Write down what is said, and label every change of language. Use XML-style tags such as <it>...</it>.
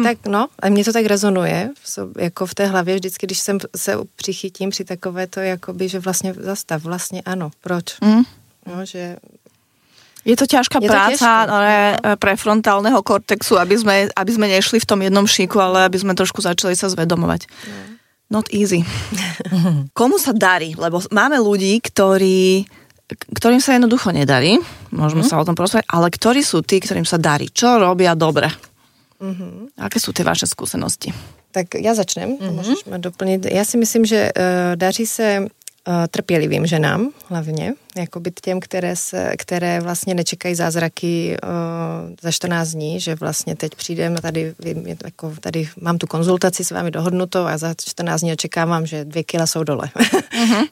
<cs>Tak, no, a mne to tak rezonuje, jako v té hlavě vždycky, když sem se přichytím při takové to, jakoby, že vlastně zastav, vlastně ano, proč? Mm. No, že...</cs> <sk>Je to ťažká práca prefrontálneho kortexu, aby sme nešli v tom jednom šíku, ale aby sme trošku začali sa zvedomovať. No.</sk> <en>Not easy.</en> <sk>Komu sa darí? Lebo máme ľudí, ktorým sa jednoducho nedarí, môžeme sa o tom prosvať, ale ktorí sú tí, ktorým sa darí? Čo robia dobre? Uh-huh. Aké sú tie vaše skúsenosti? Tak ja začnem, môžeš ma doplniť. Ja si myslím,</sk> <cs>že daří sa trpělivým ženám hlavně, jakoby těm, které vlastně nečekají zázraky za 14 dní, že vlastně teď přijdem a tady, jako, tady mám tu konzultaci s vámi dohodnutou a za 14 dní očekávám, že 2 kila jsou dole. Uh-huh.</cs>